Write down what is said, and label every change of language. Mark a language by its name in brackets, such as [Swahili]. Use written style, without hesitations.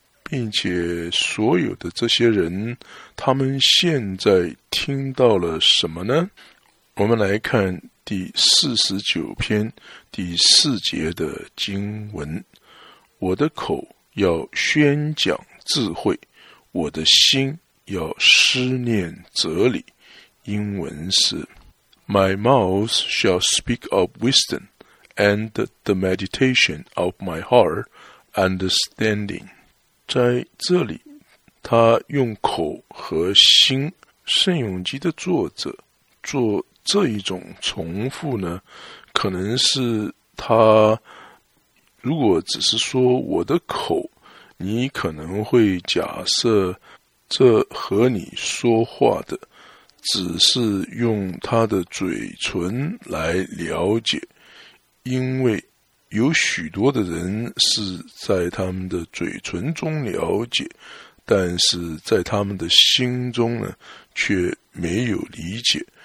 [Chinese] 并且所有的这些人，他们现在听到了什么呢？我们来看第49篇第4节的经文，我的口要宣讲智慧，我的心要思念哲理。 [English] 英文是 My mouth shall speak of wisdom, and the meditation of my heart understanding. [Chinese] 在这里他用口和心，圣咏集的作者做这一种重复呢，可能是他如果只是说我的口，你可能会假设这和你说话的只是用他的嘴唇来了解，因为有许多的人是在他们的嘴唇中了解，但是在他们的心中呢却没有理解。